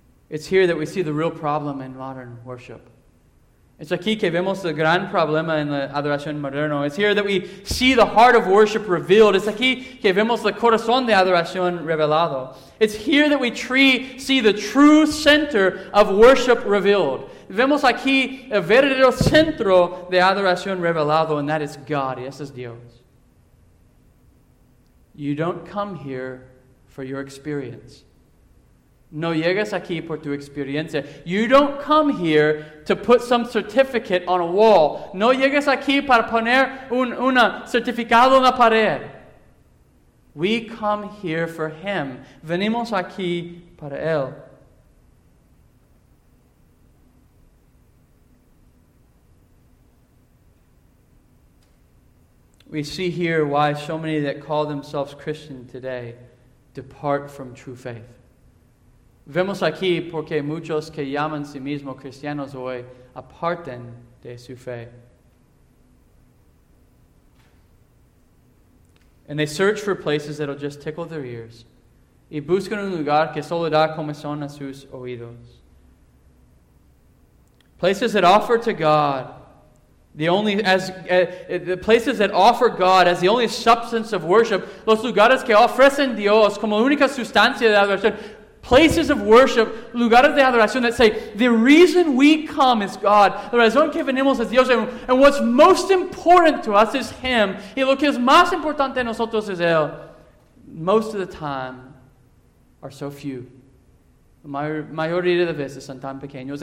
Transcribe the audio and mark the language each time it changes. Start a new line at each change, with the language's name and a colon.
English: It's here that we see the real problem in modern worship.
Spanish: Es aquí que vemos el gran problema en la adoración moderna.
English: It's here that we see the heart of worship revealed.
Spanish: Es aquí que vemos el corazón de adoración revelado.
English: It's here that we see the true center of worship revealed.
Spanish: Vemos aquí el verdadero centro de adoración revelado,
English: and that is God.
Spanish: Y ese es Dios.
English: You don't come here for your experience.
Spanish: No llegas aquí por tu experiencia.
English: You don't come here to put some certificate on a wall.
Spanish: No llegas aquí para poner un certificado en la pared.
English: We come here for Him.
Spanish: Venimos aquí para Él.
English: We see here why so many that call themselves Christian today depart from true faith.
Spanish: Vemos aquí porque muchos que llaman sí mismos cristianos hoy aparten de su fe.
English: And they search for places that will just tickle their ears.
Spanish: Y buscan un lugar que solo da comezón a sus oídos.
English: Places that offer to God the only the places that offer God as the only substance of worship.
Spanish: Los lugares que ofrecen Dios como única sustancia de adoración.
English: Places of worship,
Spanish: lugares de adoración
English: that say, the reason we come is God.
Spanish: La razón que venimos es Dios.
English: And what's most important to us is Him.
Spanish: Y lo que es más importante a nosotros es Él.
English: Most of the time are so few.
Spanish: La mayoría de las veces son tan pequeños.